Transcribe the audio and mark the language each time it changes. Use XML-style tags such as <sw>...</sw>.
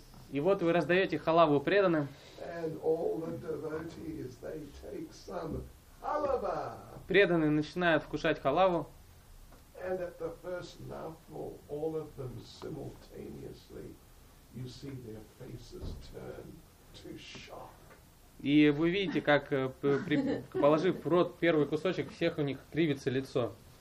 <ru>И вот вы раздаете халаву преданным.</ru> <en>And all the devotees, they take some halava.</en> <ru>Преданные начинают вкушать халаву.</ru> <en>And at the first mouthful, all of them simultaneously. You see their faces turn to shock.</en> <ru>И вы видите, как, положив в рот первый кусочек, всех у них кривится лицо.</ru>